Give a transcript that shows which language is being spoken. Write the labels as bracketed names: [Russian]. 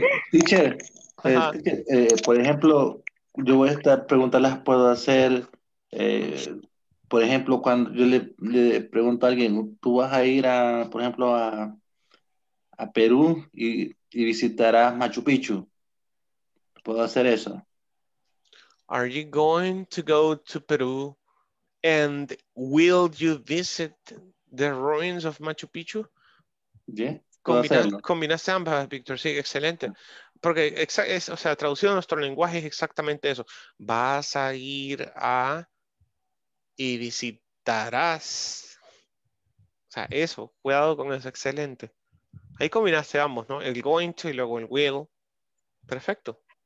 [Spanish] Teacher, por ejemplo, yo voy a estar preguntando, las puedo hacer. Por ejemplo, cuando yo le pregunto a alguien, tú vas a ir a, por ejemplo, a Perú y visitarás Machu Picchu. ¿Puedo hacer eso? [English] Are you going to go to Peru and will you visit the ruins of Machu Picchu? [Spanish] Combinaste ambas, Víctor. Sí, excelente. Porque, o sea, traducido en nuestro lenguaje es exactamente eso. Vas a ir a y visitarás. O sea, eso. Cuidado con eso. Excelente. Ahí combinaste ambos, ¿no? El going to y luego el will. Perfecto.